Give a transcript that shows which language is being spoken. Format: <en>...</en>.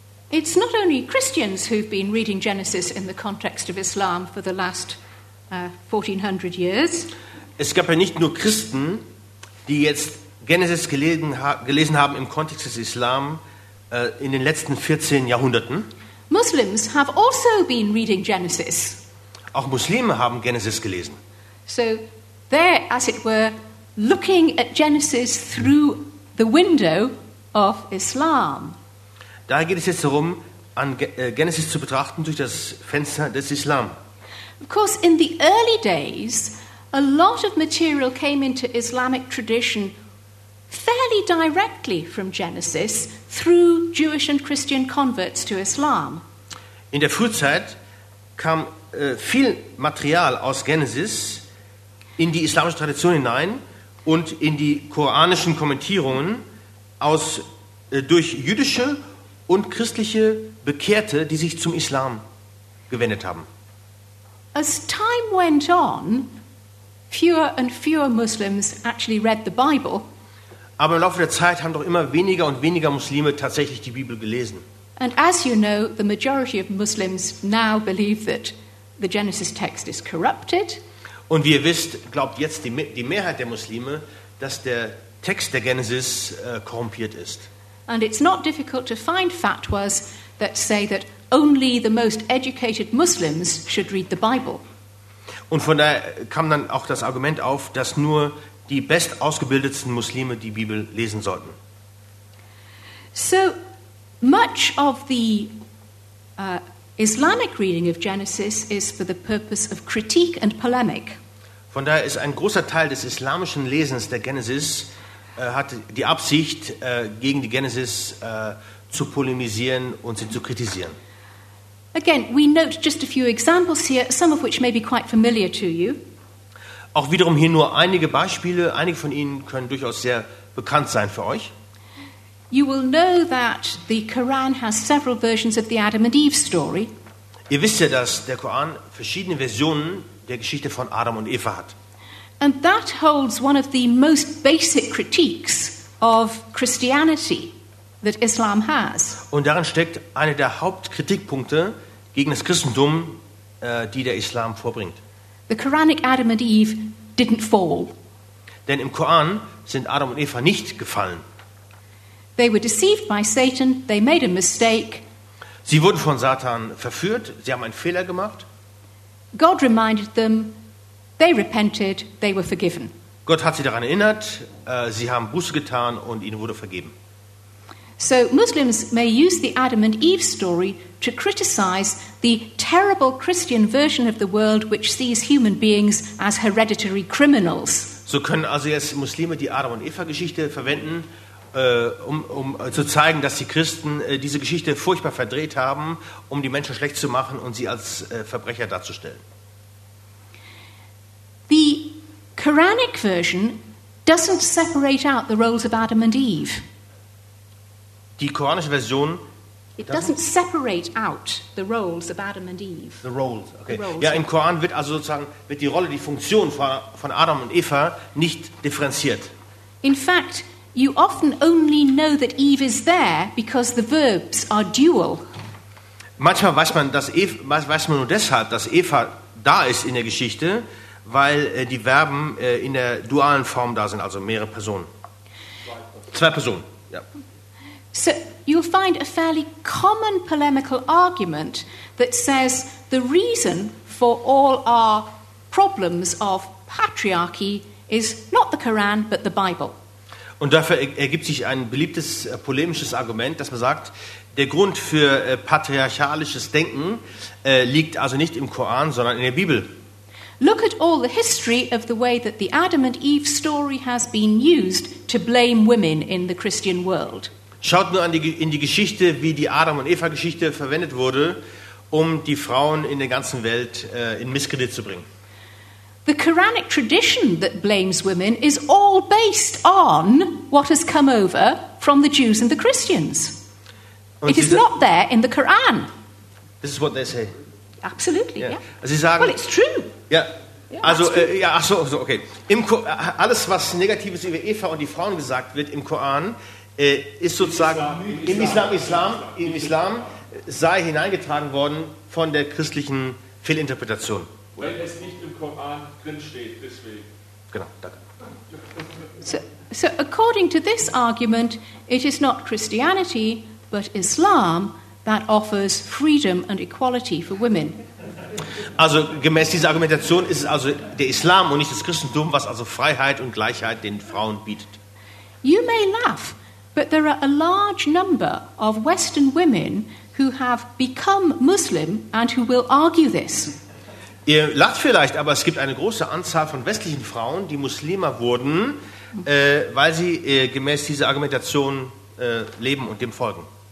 <en>It's not only Christians who've been reading Genesis in the context of Islam for the last 1400 years.</en> <de>Es gab ja nicht nur Christen, die jetzt Genesis gelesen haben im Kontext des Islam in den letzten 14 Jahrhunderten.</de> <en>Muslims have also been reading Genesis.</en> <de>Auch Muslime haben Genesis gelesen.</de> <en>So they're, as it were, looking at Genesis through the window of Islam.</en> <de>Daher geht es jetzt darum, an Genesis zu betrachten durch das Fenster des Islam.</de> <en>Of course, in the early days, a lot of material came into Islamic tradition fairly directly from Genesis through Jewish and Christian converts to Islam.</en> <de>In der Frühzeit kam viel Material aus Genesis in die islamische Tradition hinein und in die koranischen Kommentierungen aus durch jüdische und christliche Bekehrte, die sich zum Islam gewendet haben.</de> <en>As time went on, fewer and fewer Muslims actually read the Bible.</en> <de>Aber im Laufe der Zeit haben doch immer weniger und weniger Muslime tatsächlich die Bibel gelesen.</de> <en>And as you know, the majority of Muslims now believe that the Genesis text is corrupted.</en> <de>Und wie ihr wisst, glaubt jetzt die Mehrheit der Muslime, dass der Text der Genesis korrumpiert ist.</de> <en>And it's not difficult to find fatwas that say that only the most educated Muslims should read the Bible.</en> <de>Und von daher kam dann auch das Argument auf, dass nur die best ausgebildeten Muslime die Bibel lesen sollten.</de> <en>So much of the Islamic reading of Genesis is for the purpose of critique and polemic.</en> <de>Von daher ist ein großer Teil des islamischen Lesens der Genesis hat die Absicht, gegen die Genesis zu polemisieren und sie zu kritisieren.</de> <en>Again, we note just a few examples here, some of which may be quite familiar to you.</en> <de>Auch wiederum hier nur einige Beispiele. Einige von ihnen können durchaus sehr bekannt sein für euch.</de> <en>You will know that the Quran has several versions of the Adam and Eve story.</en> <de>Ihr wisst ja, dass der Koran verschiedene Versionen der Geschichte von Adam und Eva hat.</de> <en>And that holds one of the most basic critiques of Christianity that Islam has.</en> <de>Und darin steckt eine der Hauptkritikpunkte gegen das Christentum, die der Islam vorbringt.</de> <en>The Quranic Adam and Eve didn't fall.</en> <de>Denn im Koran sind Adam und Eva nicht gefallen.</de> <en>They were deceived by Satan. They made a mistake.</en> <de>Sie wurden von Satan verführt. Sie haben einen Fehler gemacht.</de> <en>God reminded them. They repented. They were forgiven.</en> <de>Gott hat sie daran erinnert. Sie haben Buße getan und ihnen wurde vergeben.</de> <en>So Muslims may use the Adam and Eve story to criticize the terrible Christian version of the world which sees human beings as hereditary criminals.</en> <de>So können also jetzt Muslime die Adam und Eva Geschichte verwenden, um zu zeigen, dass die Christen diese Geschichte furchtbar verdreht haben, um die Menschen schlecht zu machen und sie als Verbrecher darzustellen.</de> <en>The Quranic version doesn't separate out the roles of Adam and Eve.</en> <de>Die koranische Version.</de> <en>It doesn't separate out the roles of Adam and Eve. The roles, okay. The roles.</en> <de>Ja, im Koran wird also sozusagen wird die Rolle, die Funktion von Adam und Eva nicht differenziert.</de> <en>In fact, you often only know that Eve is there because the verbs are dual.</en> <de>Manchmal weiß man, dass weiß man nur deshalb, dass Eva da ist in der Geschichte, weil die Verben in der dualen Form da sind, also mehrere Personen. Zwei Personen, ja.</de> <en>So you'll find a fairly common polemical argument that says the reason for all our problems of patriarchy is not the Quran but the Bible.</en> <de>Und dafür ergibt sich ein beliebtes polemisches Argument, dass man sagt, der Grund für patriarchalisches Denken liegt also nicht im Koran, sondern in der Bibel.</de> <en>Look at all the history of the way that the Adam and Eve story has been used to blame women in the Christian world.</en> <de>Schaut nur in die Geschichte, wie die Adam- und Eva-Geschichte verwendet wurde, um die Frauen in der ganzen Welt in Misskredit zu bringen.</de> <en>The Quranic tradition that blames women is all based on what has come over from the Jews and the Christians.</en> <de>Und</de> <en>it is not there in the Quran. This is what they say. Absolutely, yeah.</en> <de>Sie sagen,</de> <en>well, it's true. Yeah. Also, okay.</en> <de>Alles, was Negatives über Eva und die Frauen gesagt wird im Koran, ist sozusagen im Islam sei hineingetragen worden von der christlichen Fehlinterpretation. Weil es nicht im Koran drinsteht, deswegen. Genau, danke.</de> <en>So, according to this argument, it is not Christianity, but Islam that offers freedom and equality for women.</en> <de>Also gemäß dieser Argumentation ist es also der Islam und nicht das Christentum, was also Freiheit und Gleichheit den Frauen bietet.</de> <en>You may laugh, but there are a large number of Western women who have become Muslim and who will argue this.</en> <de>Ihr lacht vielleicht, aber es gibt eine große Anzahl von westlichen Frauen, die Muslime wurden, weil sie gemäß dieser Argumentation leben und dem folgen.</de>